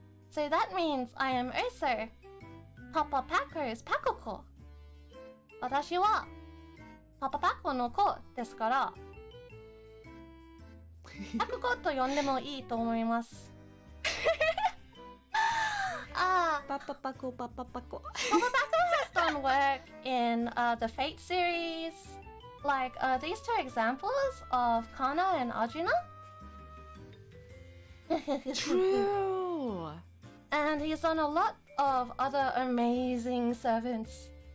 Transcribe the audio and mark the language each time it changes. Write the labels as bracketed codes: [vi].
[en] So that means I am also Papa Paco's Paco-ko. [ja] 私はパパパコの子ですから。パクコと呼んでもいいと思います。パパパコ、パパパコ。 [en] パパパコ has done work in the Fate series. Like, these two examples of Kana and Arjuna. True! And he's done a lot of other amazing servants.